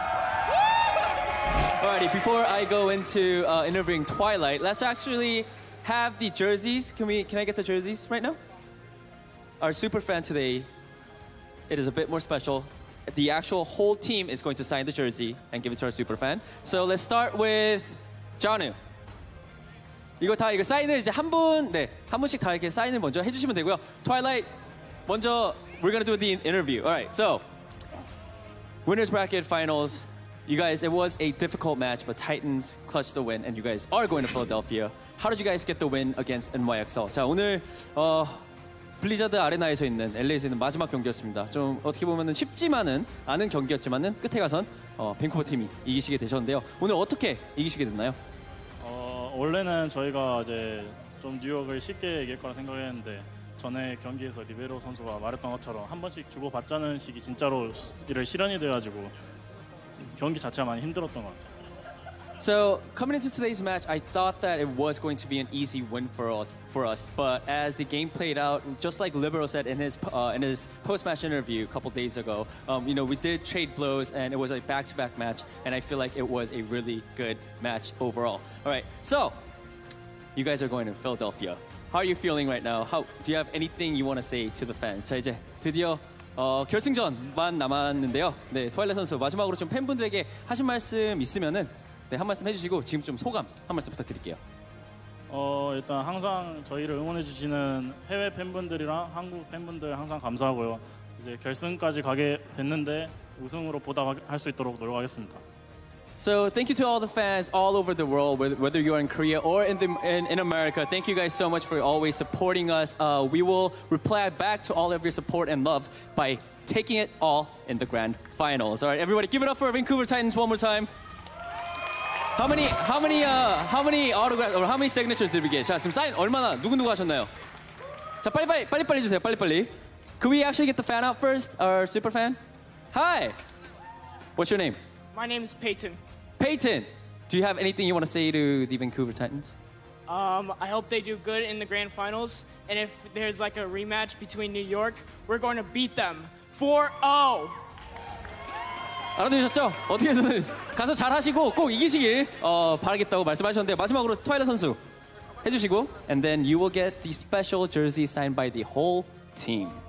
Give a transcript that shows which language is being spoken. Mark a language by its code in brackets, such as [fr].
[en] Alrighty, before I go into interviewing Twilight, let's actually have the jerseys. Can I get the jerseys right now? Our super fan today, it is a bit more special. The actual whole team is going to sign the jersey and give it to our super fan. So let's start with Janu. [ko] 이거 다 이거 사인을 이제 한 분, 네, 한 분씩 다 이렇게 사인을 먼저 해주시면 되고요. [en] Twilight, [ko] 먼저 [en] we're gonna do the interview. All right, so winners bracket finals. You guys, it was a difficult match, but Titans clutched the win, and you guys are going to Philadelphia. How did you guys get the win against NYXL? [ko] 자, 오늘 블리자드 아레나에서 있는 LA에서 있는 마지막 경기였습니다. 좀 어떻게 보면은 쉽지만은 않은 경기였지만은 끝에 가선 밴쿠버 팀이 이기시게 되셨는데요. 오늘 어떻게 이기시게 됐나요? 원래는 저희가 이제 좀 뉴욕을 쉽게 이길 거라 생각했는데 전에 경기에서 리베로 선수가 말했던 것처럼 한 번씩 주고받자는 식이 진짜로 이를 실현이 돼가지고 경기 자체가 많이 힘들었던 것 같아요. [en] So coming into today's match, I thought that it was going to be an easy win for us. But as the game played out, just like Libero said in his post-match interview a couple days ago, you know, we did trade blows and it was a back-to-back match. And I feel like it was a really good match overall. All right, so you guys are going to Philadelphia. How are you feeling right now? Do you have anything you want to say to the fans? [ko] 자 이제 드디어 결승전만 남았는데요. 네, 트와일라 선수 마지막으로 좀 팬분들에게 하신 말씀 있으면은. 네, 한 말씀 해주시고 지금 좀 소감 한 말씀 부탁드릴게요. 일단 항상 저희를 응원해 주시는 해외 팬분들이랑 한국 팬분들 항상 감사하고요. 이제 결승까지 가게 됐는데 우승으로 보답할 수 있도록 노력하겠습니다. [en] So thank you to all the fans all over the world, whether you are in Korea or in America. Thank you guys so much for always supporting us. We will reply back to all of your support and love by taking it all in the grand finals. All right, everybody, give it up for Vancouver Titans one more time. How many autographs or how many signatures did we get? [ko] 자, 지금 사인 얼마나 누구누구 하셨나요? 자, 빨리 주세요. 빨리. [en] Could we actually get the fan out first, our super fan? Hi. What's your name? My name is Peyton. Peyton, do you have anything you want to say to the Vancouver Titans? I hope they do good in the grand finals, and if there's like a rematch between New York, we're going to beat them 4-0. [ko] 알아들으셨죠? 어떻게든 가서 잘하시고 꼭 이기시길 바라겠다고 말씀하셨는데 마지막으로 트와일라 선수 해주시고 [en] And then you will get the special jersey signed by the whole team.